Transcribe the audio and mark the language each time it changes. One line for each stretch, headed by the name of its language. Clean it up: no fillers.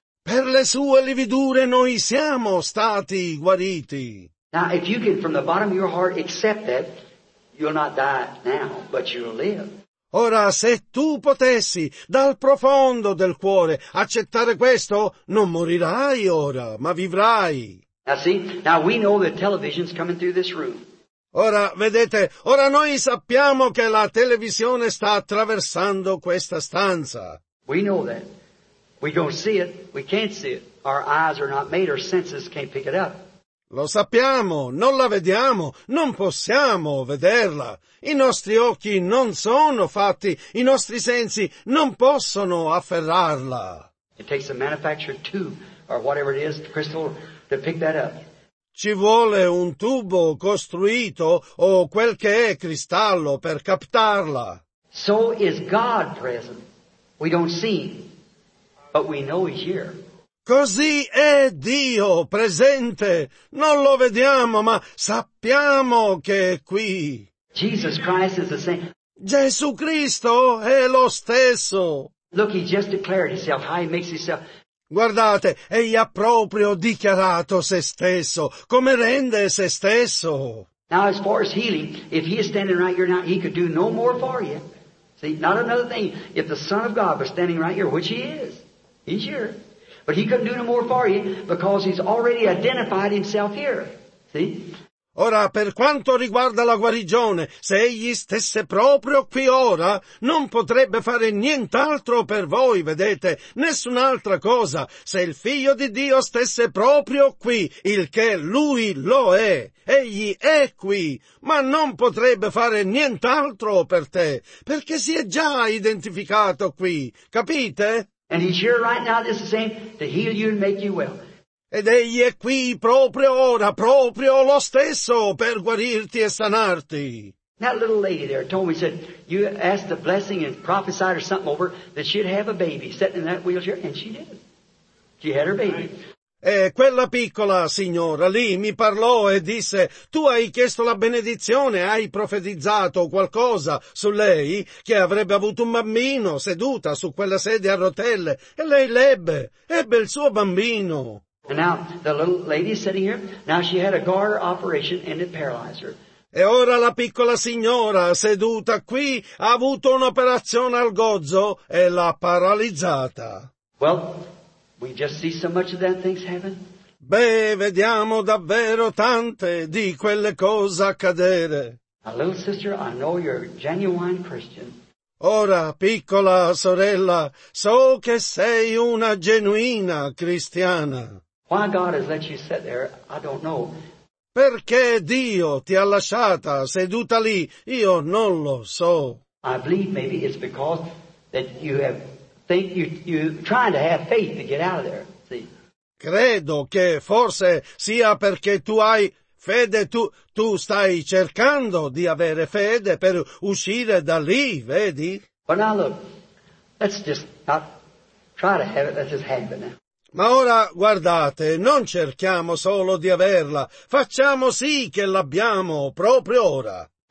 Italian: Per le sue lividure noi siamo stati guariti.
English: Now, if you can from the bottom of your heart accept that, you'll not die now, but you'll live.
Italian: Ora, se tu potessi, dal profondo del cuore, accettare questo, non morirai ora, ma vivrai.
English: Now, see, now we know that television's coming through this room.
Italian: Ora, vedete, ora noi sappiamo che la televisione sta attraversando questa stanza.
English: We know that. We don't see it. We can't see it. Our eyes are not made. Our senses can't pick it up.
Italian: Lo sappiamo. Non la vediamo. Non possiamo vederla. I nostri occhi non sono fatti. I nostri sensi non possono afferrarla.
English: It takes a manufactured tube, or whatever it is, crystal, to pick that up.
Italian: Ci vuole un tubo costruito o quel che è cristallo per captarla.
English: So is God present. We don't see him, but we know he's here.
Italian: Così è Dio presente. Non lo vediamo, ma sappiamo che è qui.
English: Jesus Christ is the same.
Italian: Gesù Cristo è lo stesso.
English: Look, he just declared himself, how he makes himself.
Italian: Guardate, egli ha proprio dichiarato se stesso, come rende se stesso.
English: Now as far as healing, if he is standing right here now, he could do no more for you. See, not another thing. If the Son of God was standing right here, which he is, he's here. But he couldn't do no more for you because he's already identified himself here. See?
Italian: Ora, per quanto riguarda la guarigione, se egli stesse proprio qui ora, non potrebbe fare nient'altro per voi, vedete, nessun'altra cosa, se il Figlio di Dio stesse proprio qui, il che Lui lo è, egli è qui, ma non potrebbe fare nient'altro per te, perché si è già identificato qui, capite?
English: And he's here right now, this is the same, to heal you and make you well.
Italian: Ed egli è qui proprio ora, proprio lo stesso, per guarirti e sanarti.
English: That little lady there told me, said, you asked the blessing and prophesied or something over that she'd have a baby sitting in that wheelchair, and she did. She had her baby.
Italian: E quella piccola signora lì mi parlò e disse, tu hai chiesto la benedizione, hai profetizzato qualcosa su lei che avrebbe avuto un bambino seduta su quella sedia a rotelle, e lei l'ebbe, ebbe il suo bambino.
English: And now the little lady sitting here, now she had a garter operation and it paralyzed her.
Italian: E ora la piccola signora seduta qui ha avuto un'operazione al gozzo e l'ha paralizzata.
English: Well, we just see so much of that things happen.
Italian: Beh, vediamo davvero tante di quelle cose accadere.
English: A little sister, I know you're a genuine Christian.
Italian: Ora, piccola sorella, so che sei una genuina cristiana.
English: Why God has let you sit there, I don't know.
Italian: Perché Dio ti ha lasciata seduta lì? Io non lo so.
English: I believe maybe it's because that you have think you trying to have faith to get out of there. See?
Italian: Credo che forse sia perché tu hai fede, tu stai cercando di avere fede per uscire da lì, vedi?
English: But now look, let's just not try to have it, let's just have it now.
Italian: Ma ora, guardate, non cerchiamo solo di averla, facciamo sì che l'abbiamo proprio ora.